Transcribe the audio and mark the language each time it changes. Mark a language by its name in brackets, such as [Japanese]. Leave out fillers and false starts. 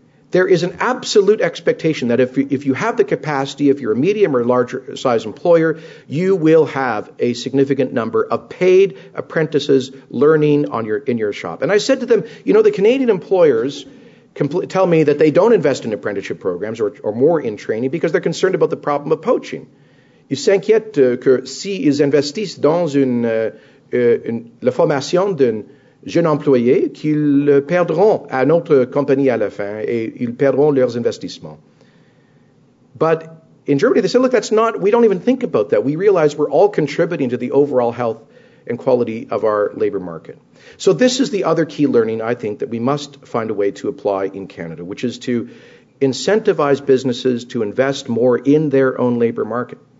[English] There is an absolute expectation that if you have the capacity, if you're a medium or larger size employer, you will have a significant number of paid apprentices learning in your shop. And I said to them, you know, the Canadian employers tell me that they don't invest in apprenticeship programs or more in training because they're concerned about the problem of poaching. [French] Ils s'inquiètent que s'ils investissent dans la formation d'un jeune employé, qu'ils perdront à notre compagnie à la fin et ils perdront leurs investissements. [English] But in Germany, they said, look, we don't even think about that. We realize we're all contributing to the overall health and quality of our labor market. So this is the other key learning, I think, that we must find a way to apply in Canada, which is to incentivize businesses to invest more in their own labor market.